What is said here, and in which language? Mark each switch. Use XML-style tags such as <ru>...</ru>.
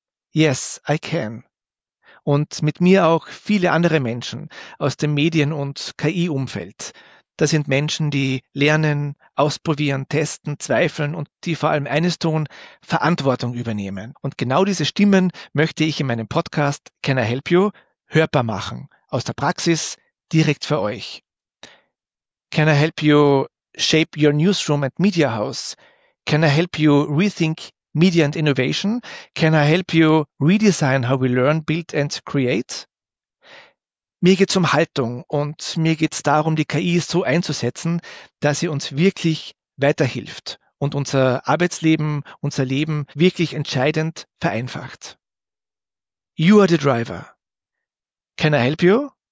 <en>Yes, I can.</en> <de>Und mit mir auch viele andere Menschen aus dem Medien- und KI-Umfeld. Das sind Menschen, die lernen, ausprobieren, testen, zweifeln und die vor allem eines tun, Verantwortung übernehmen. Und genau diese Stimmen möchte ich in meinem Podcast Can I Help You hörbar machen. Aus der Praxis, direkt für euch.</de> <en>Can I help you shape your newsroom and media house? Can I help you rethink media and innovation? Can I help you redesign how we learn, build and create?</en> <de>Mir geht's um Haltung und mir geht's darum, die KI so einzusetzen, dass sie uns wirklich weiterhilft und unser Arbeitsleben, unser Leben wirklich entscheidend vereinfacht. You are the driver. Can I help you?</de>